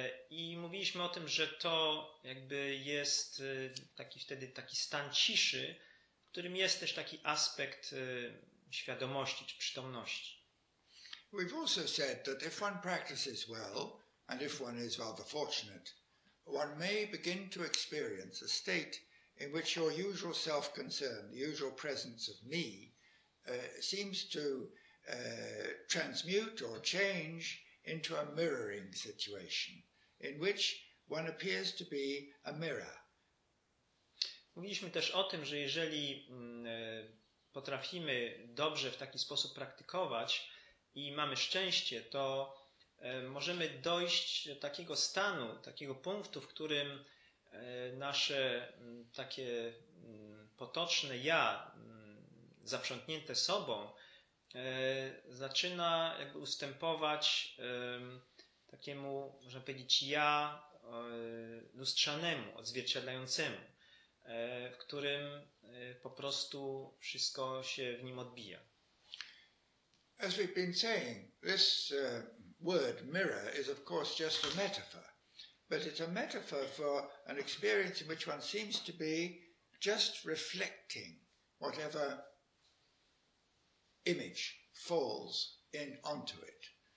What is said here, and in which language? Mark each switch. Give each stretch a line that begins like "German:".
Polish: I mówiliśmy o tym, że to jakby jest taki wtedy taki stan ciszy, w którym jest też taki aspekt świadomości czy przytomności.
English: We've also said that if one practices well, and if one is rather fortunate, one may begin to experience a state in which your usual self-concern, the usual presence of me, seems to transmute or change into a mirroring situation, in which one appears to be a mirror.
Polish: Mówiliśmy też o tym, że jeżeli potrafimy dobrze w taki sposób praktykować i mamy szczęście, to możemy dojść do takiego stanu, takiego punktu, w którym nasze takie potoczne ja, zaprzątnięte sobą, zaczyna jakby ustępować takiemu, można powiedzieć, ja lustrzanemu, odzwierciedlającemu, w którym po prostu wszystko się w nim odbija.
English: As we've been saying, this word mirror is of course just a metaphor, but it's a metaphor for an experience in which one seems to be just reflecting whatever image falls in onto it.